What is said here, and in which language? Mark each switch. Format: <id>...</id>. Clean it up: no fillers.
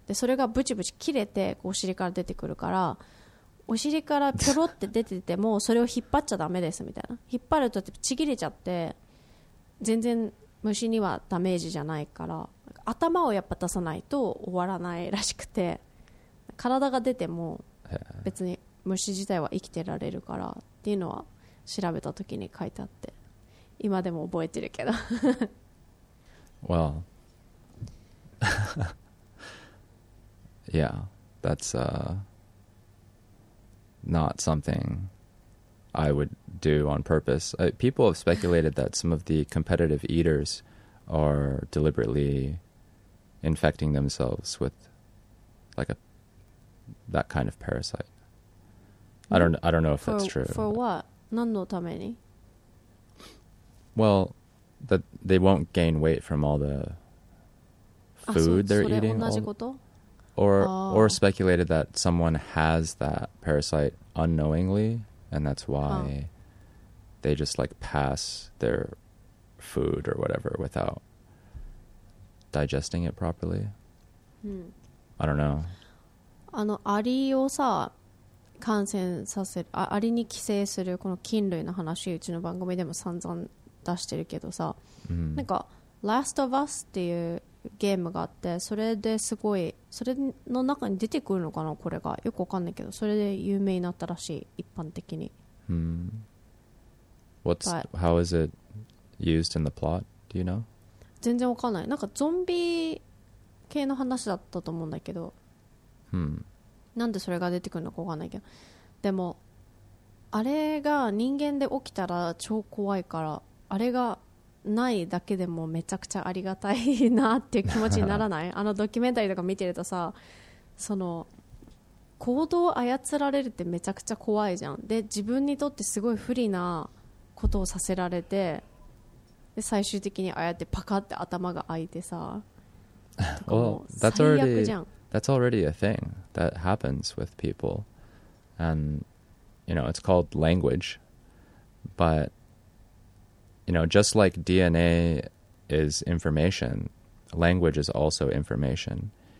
<ja>でそれがブチブチ切れてこうお尻から出てくるから、お尻からピョロって出ててもそれを引っ張っちゃダメですみたいな、引っ張るとちぎれちゃって全然虫にはダメージじゃないから、頭をやっぱ出さないと終わらないらしくて、体が出ても別に虫自体は生きてられるからっていうのは調べた時に書いてあって今でも覚えてるけど。</ja> <en>Well, yeah, that's not something I would do on purpose. People have speculated that some of the competitive eaters are deliberately infecting themselves with like a that kind of parasite. I don't know if that's true. For what?</en> <ja>何のために?</ja> <en>Well, that they won't gain weight from all the food they're eating. Or speculated that someone has that parasite unknowingly, and that's why they just like pass their food or whatever without digesting it properly. I don't know.</en> <ja>あのアリをさ感染させる、アリに寄生するこの菌類の話、うちの番組でも散々出してるけどさ、なんか Last of Us っていうゲームがあって、それですごい、それの中に出てくるのかな、これがよくわかんないけど、それで有名になったらしい、一般的に。</ja> <en>What's how is it used in the plot? Do you know?</en> <ja>全然わかんない。なんかゾンビ系の話だったと思うんだけど。なんでそれが出てくるのかわかんないけど、でもあれが人間で起きたら超怖いから、あれがないだけでもめちゃくちゃありがたいなっていう気持ちにならない？あのドキュメンタリーとか見てるとさ、その行動を操られるってめちゃくちゃ怖いじゃん。で自分にとってすごい不利なことをさせられて、で最終的にああやってパカって頭が開いてさ、もう最悪じゃん。</ja> <en>Well, that's already... That's already a thing that happens with people. And, you know, it's called language. But, you know, just like DNA is information, language is also information.</en>